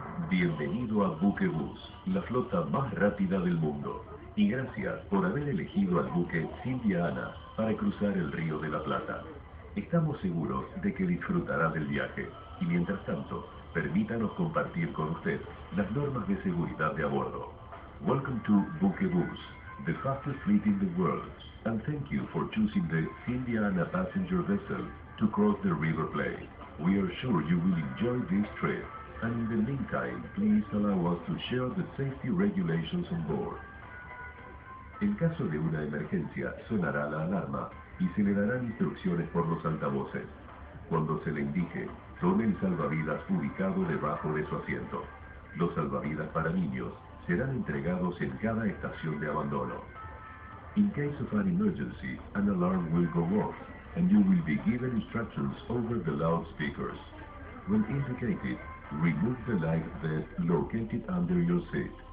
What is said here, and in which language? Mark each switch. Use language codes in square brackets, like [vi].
[es] Bienvenido a Buquebus, la flota más rápida del mundo. Y gracias por haber elegido al buque Silvia Ana para cruzar el Río de la Plata. Estamos seguros de que disfrutará del viaje. Y mientras tanto, permítanos compartir con usted las normas de seguridad de a bordo. [en] Welcome to Buquebus, the fastest fleet in the world. And thank you for choosing the Silvia Ana passenger vessel to cross the River Plate. We are sure you will enjoy this trip. And in the meantime, please allow us to share the safety regulations on board. [es] En caso de una emergencia, sonará la alarma y se le darán instrucciones por los altavoces. Cuando se le indique, tome el salvavidas ubicado debajo de su asiento. Los salvavidas para niños serán entregados en cada estación de abandono. [en] In case of an emergency, an alarm will go off, and you will be given instructions over the loudspeakers. When indicated, remove the life vest located under your seat.